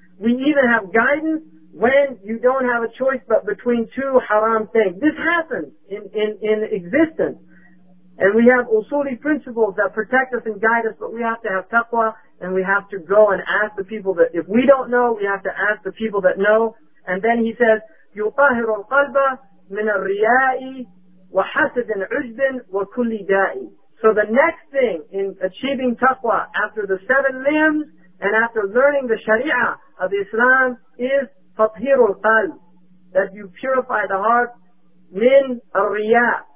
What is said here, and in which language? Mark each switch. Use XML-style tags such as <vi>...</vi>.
<en>We even have guidance when you don't have a choice but between two haram things. This happens in existence. And we have usuli principles that protect us and guide us, but we have to have taqwa, and we have to go and ask the people that, if we don't know, we have to ask the people that know. And then he says,</en> <ar>يُطَهِرُ الْقَلْبَ مِنَ الرِّيَاءِ وَحَسَدٍ عُجْبٍ وَكُلِّ دَائِ.</ar> <en>So the next thing in achieving taqwa after the seven limbs and after learning the sharia of Islam is tathirul qalb, that you purify the heart min al-riya.</en>